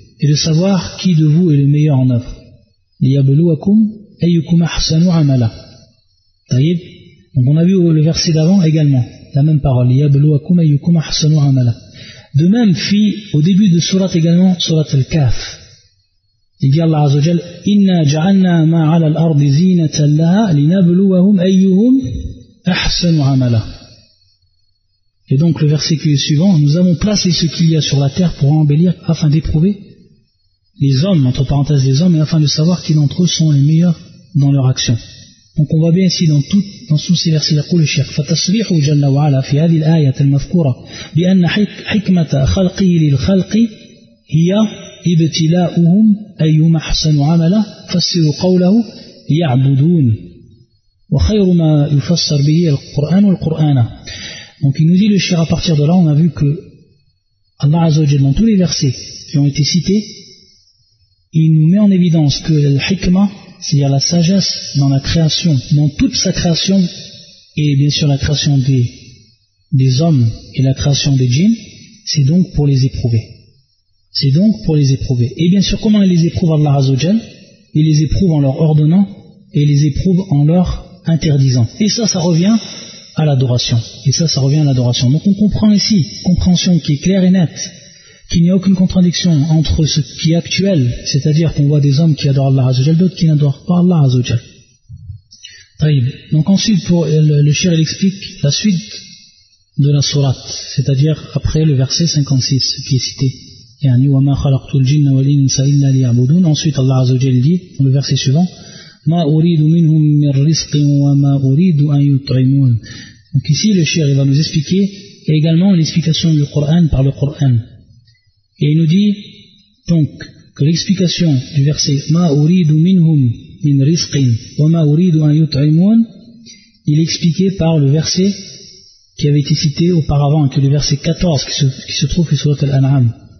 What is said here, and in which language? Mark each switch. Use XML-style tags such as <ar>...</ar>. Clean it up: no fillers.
<ar>Et de savoir qui de vous est le meilleur en œuvre. لِيَبْلُوَكُمْ أَيُّكُمْ أَحْسَنُ عَمَلًا. Taïb.</ar> <fr>Donc on a vu le verset d'avant également, la même parole.</fr> <ar>لِيَبْلُوَكُمْ أَيُّكُمْ أَحْسَنُ عَمَلًا.</ar> <fr>De même, fit au début de surat également, surat al-Kahf. Il dit</fr> <ar>Allah Azza wa Jal, إِنَّا جَعَلْنَا مَا عَلَى الْأَرْضِ زِينَةً لَهَا لِنَبْلُوَهُمْ أَيُّهُمْ أَحْسَنُ عَمَلًا.</ar> <fr>Et donc le verset qui est suivant, nous avons placé ce qu'il y a sur la terre pour embellir, afin d'éprouver les hommes, entre parenthèses les hommes, et afin de savoir qui d'entre eux sont les meilleurs dans leur action. Donc on voit bien ici dans tous ces versets, il dit le cheikh,</fr> <ar>فَتَصْرِيحُ جَلَّ وَعَلَى فِي هَذِي الْآيَةِ الْمَذْكُورَةِ بِأَنَّ حِكْمَةَ خَلْقِهِ لِلْخَلْقِ هِيَا إِبْتِلَاءُهُمْ أَيُّ مَحْسَنُ عَمَلَ فَسِّرُوا قَوْلَهُ يَعْبُدُونَ وَخَيْرُ مَا يُفَسَّرْ بِهِ الْقُرْآنُ الْقُرْآنَ.</ar> <fr>Donc il nous dit le shir, à partir de là, on a vu que Allah Azza wa Jalla, dans tous les versets qui ont été cités, il nous met en évidence que l'hikmah, c'est-à-dire la sagesse dans la création, dans toute sa création, et bien sûr la création des hommes et la création des djinns, c'est donc pour les éprouver. C'est donc pour les éprouver. Et bien sûr, comment il les éprouve Allah Azza wa Jalla ? Il les éprouve en leur ordonnant et il les éprouve en leur interdisant. Et ça revient à l'adoration. Et ça revient à l'adoration. Donc on comprend ici, compréhension qui est claire et nette, qu'il n'y a aucune contradiction entre ce qui est actuel, c'est-à-dire qu'on voit des hommes qui adorent Allah Azza wa Jalla, d'autres qui n'adorent pas Allah Azza wa Jalla. Donc ensuite, pour le shir, il explique la suite de la sourate, c'est-à-dire après le verset 56 qui est cité.</fr> <ar>يعني وما خلقت الجن والإنس إلا ليعبدون.</ar> <fr>Ensuite Allah Azza wa Jalla dit le verset suivant,</fr> <ar>ما أريد منهم من رزق وما أريد أن يطعمون.</ar> <fr>Donc ici le shir va nous expliquer et également l'explication du Coran par le Coran, et il nous dit donc que l'explication du verset</fr> <ar>ما أريد منهم من رزق وما أريد أن يطعمون,</ar> <fr>il est expliqué par le verset qui avait été cité auparavant, que le verset 14 qui se trouve sur surat al-An'am.</fr>